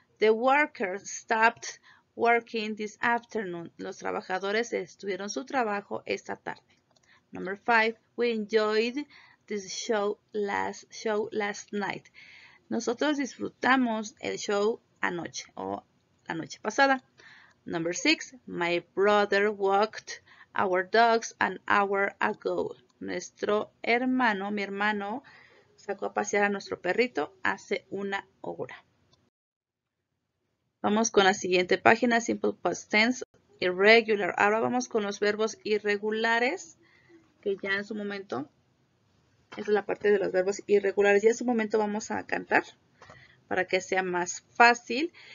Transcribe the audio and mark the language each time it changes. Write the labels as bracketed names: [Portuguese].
[English] The workers stopped working this afternoon. [Spanish] Los trabajadores detuvieron su trabajo esta tarde. [English] Number five. We enjoyed this show last night. [Spanish] Nosotros disfrutamos el show anoche o la noche pasada. [English] Number six. My brother walked our dogs an hour ago. [Spanish] Nuestro hermano, mi hermano, sacó a pasear a nuestro perrito hace una hora. Vamos con la siguiente página, Simple Past Tense, Irregular. Ahora vamos con los verbos irregulares, que ya en su momento, esa es la parte de los verbos irregulares, ya en su momento vamos a cantar para que sea más fácil.